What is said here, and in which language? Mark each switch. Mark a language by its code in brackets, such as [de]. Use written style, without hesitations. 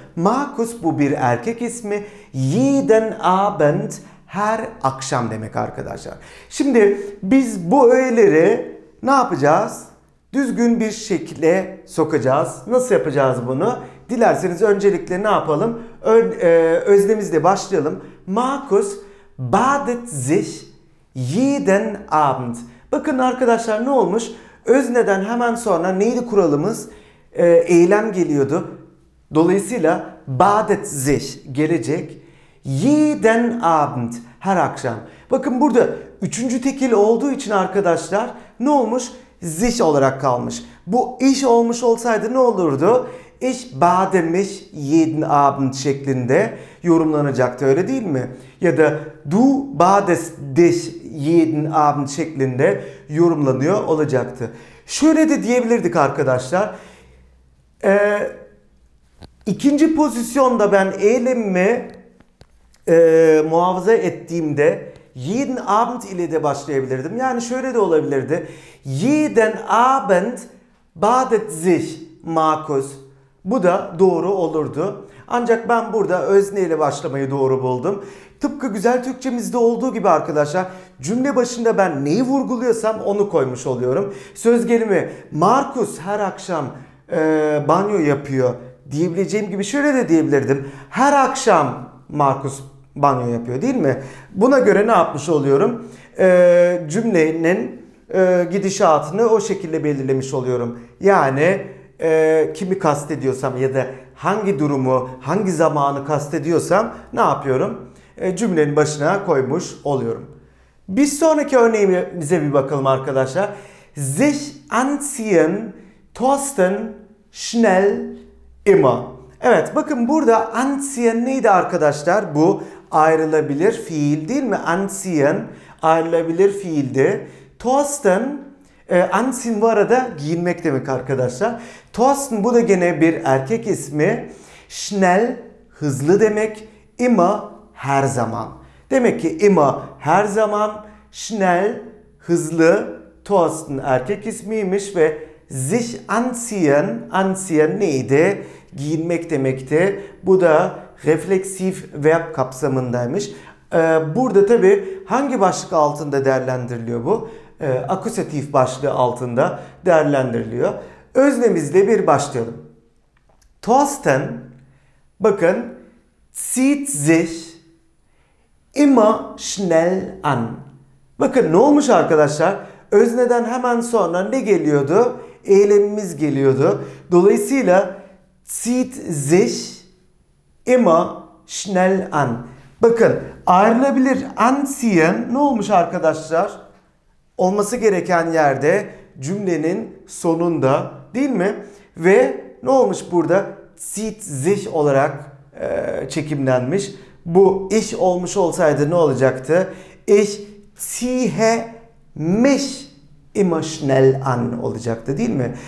[tr] Markus bu bir erkek ismi. [de] Jeden Abend [tr] her akşam demek arkadaşlar. Şimdi biz bu öğeleri ne yapacağız? Düzgün bir şekle sokacağız. Nasıl yapacağız bunu? Dilerseniz öncelikle ne yapalım? Öznemizle başlayalım. [de] Markus badet sich jeden Abend. [tr] Bakın arkadaşlar ne olmuş? Özneden hemen sonra neydi kuralımız? Eylem geliyordu. Dolayısıyla [de] badet sich [tr] gelecek. [de] Jeden Abend [tr] her akşam. Bakın burada üçüncü tekil olduğu için arkadaşlar ne olmuş? Sich olarak kalmış. Bu iş olmuş olsaydı ne olurdu? [de] Ich bade mich jeden Abend [tr] şeklinde yorumlanacaktı öyle değil mi? Ja da [de] du badest dich jeden Abend [tr] şeklinde yorumlanıyor olacaktı. Şöyle de diyebilirdik arkadaşlar. İkinci pozisyonda ben eylemimi muhafaza ettiğimde [de] jeden Abend [tr] ile de başlayabilirdim. Yani şöyle de olabilirdi. [de] Jeden Abend badet sich Markus. [tr] Bu da doğru olurdu. Ancak ben burada özne ile başlamayı doğru buldum. Tıpkı güzel Türkçemizde olduğu gibi arkadaşlar cümle başında ben neyi vurguluyorsam onu koymuş oluyorum. Söz gelimi Markus her akşam banyo yapıyor diyebileceğim gibi şöyle de diyebilirdim. Her akşam Markus banyo yapıyor değil mi? Buna göre ne yapmış oluyorum? Cümlenin gidişatını o şekilde belirlemiş oluyorum. Yani kimi kastediyorsam ya da hangi durumu, hangi zamanı kastediyorsam ne yapıyorum? Cümlenin başına koymuş oluyorum. Bir sonraki örneğimize bir bakalım arkadaşlar. [de] Sich anziehen, tosten, schnell, immer. [tr] Evet bakın burada anziehen neydi arkadaşlar? Bu ayrılabilir fiil değil mi? Anziehen ayrılabilir fiildi. Tosten, anziehen bu arada giyinmek demek arkadaşlar. Tosten bu da gene bir erkek ismi. Schnell hızlı demek. Immer her zaman. Demek ki immer her zaman. Schnell hızlı. Tosten erkek ismiymiş ve sich anziehen. Anziehen neydi? Giyinmek demekti. Bu da refleksif verb kapsamındaymış. Burada tabii hangi başlık altında değerlendiriliyor bu? akusatif başlığı altında değerlendiriliyor. Öznemizle bir başlayalım. [de] Tosten, bakın, zieht sich immer schnell an. [tr] Bakın ne olmuş arkadaşlar? Özneden hemen sonra ne geliyordu? Eylemimiz geliyordu. Dolayısıyla [de] zieht sich immer schnell an. [tr] Bakın ayrılabilir anziehen ne olmuş arkadaşlar? Olması gereken yerde cümlenin sonunda değil mi? Ve ne olmuş burada? [de] Zieht sich [tr] olarak çekimlenmiş. Bu iş olmuş olsaydı ne olacaktı? [de] Ich ziehe mich immer schnell an [tr] olacaktı değil mi?